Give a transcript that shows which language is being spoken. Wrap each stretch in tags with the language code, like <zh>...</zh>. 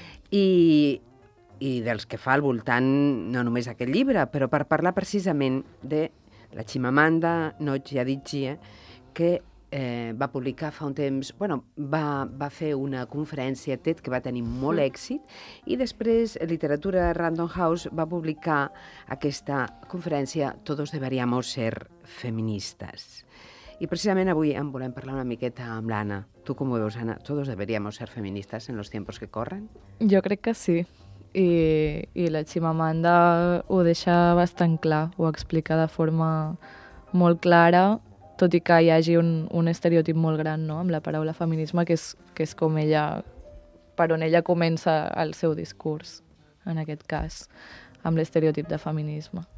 <ca>i dels que fa al voltant, no només aquest llibre, però per parlar precisament de la Chimamanda Ngozi Adichie, que va publicar fa un temps, va fer una conferència TED que va tenir molt èxit, i després Literatura Random House va publicar aquesta conferència</ca> <es>Todos deberíamos ser feministas.</es> <ca>I precisament avui en volem parlar una miqueta amb l'Anna. Tu com ho veus, Anna?</ca> <es>Todos deberíamos ser feministas en los tiempos que corren?</es> <ca>Jo crec que sí. I la Chimamanda ho deixa bastant clar, ho explica de forma molt clara, tot i que hi hagi un estereotip molt gran, no?, amb la paraula feminisme, que és com ella, per on ella comença el seu discurs, en aquest cas, amb l'estereotip de feminisme.</ca>